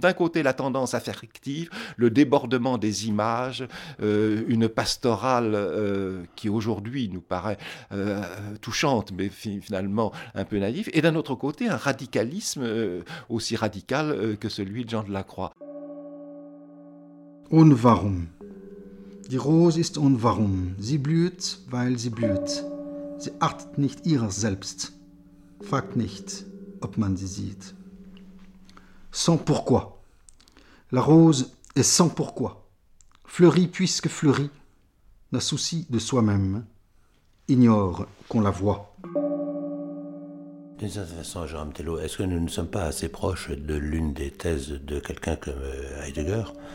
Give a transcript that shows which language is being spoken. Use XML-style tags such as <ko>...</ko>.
<fr>D'un côté, la tendance affective, le débordement des images, une pastorale qui aujourd'hui nous paraît touchante, mais finalement un peu naïve. Et d'un autre côté, un radicalisme aussi radical que celui de Jean de la Croix.</fr> <de>Und warum? Die Rose ist und warum? Sie blüht, weil sie blüht. Sie achtet nicht ihrer selbst. Fragt nicht, ob man sie sieht.</de> <fr>Sans pourquoi? La rose est sans pourquoi. Fleurit puisque fleurit. N'a souci de soi-même. Ignore qu'on la voit. D'une certaine façon, Jérôme Tello, est-ce que nous ne sommes pas assez proches de l'une des thèses de quelqu'un comme Heidegger?</fr>